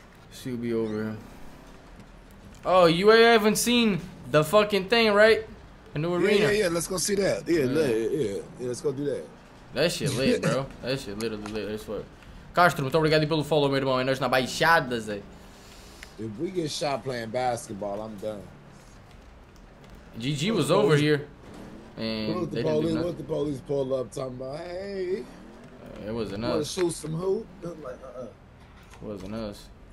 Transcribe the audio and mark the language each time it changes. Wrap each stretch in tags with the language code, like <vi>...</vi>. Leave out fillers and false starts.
<en>She'll be over here. Oh, you haven't seen the fucking thing, right? A new arena. Yeah, let's go see that. Yeah, let's go do that. That shit lit, bro. That shit literally lit. That's what.</en> <pt>Castro, muito obrigado pelo follow, meu irmão. É nós na baixada, Zé.</pt> <en>If we get shot playing basketball, I'm done. GG was over here. What the police pull up talking about? Hey. It wasn't us. Wanna shoot some hoop? I'm like, It wasn't us.</en>